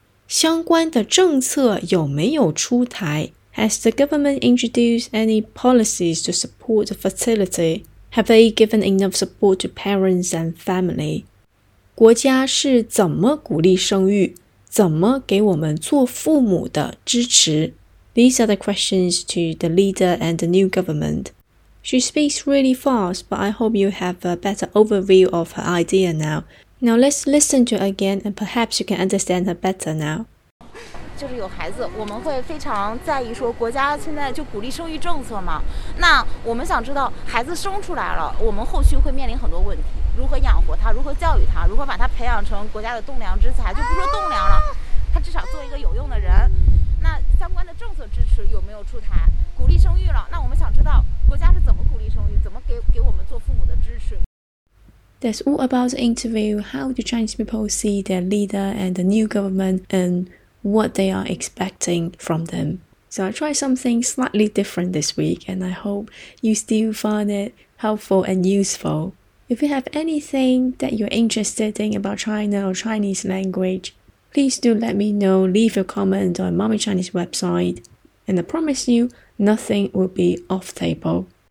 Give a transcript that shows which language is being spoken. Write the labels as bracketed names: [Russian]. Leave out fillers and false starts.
[Chinese] 相关的政策有没有出台? [English] Has the government introduced any policies to support the fertility? Have they given enough support to parents and family? [Chinese] 国家是怎么鼓励生育?怎么给我们做父母的支持? [English] These are the questions to the leader and the new government. She speaks really fast, but I hope you have a better overview of her idea now. Now let's listen to her again, and perhaps you can understand her better now. [Chinese] 就是有孩子，我们会非常在意说国家现在就鼓励生育政策嘛。那我们想知道孩子生出来了，我们后续会面临很多问题，如何养活他，如何教育他，如何把他培养成国家的栋梁之才，就不说栋梁了，他至少做一个有用的人。那相关的政策支持有没有出台？鼓励生育了，那我们想知道国家是怎么鼓励生育，怎么给我们做父母的支持。 [English] That's all about the interview. How do Chinese people see their leader and the new government and what they are expecting from them? So I tried something slightly different this week, and I hope you still find it helpful and useful. If you have anything that you're interested in about China or Chinese language, please do let me know, leave a comment on Mommy Chinese website, and I promise you, nothing will be off table.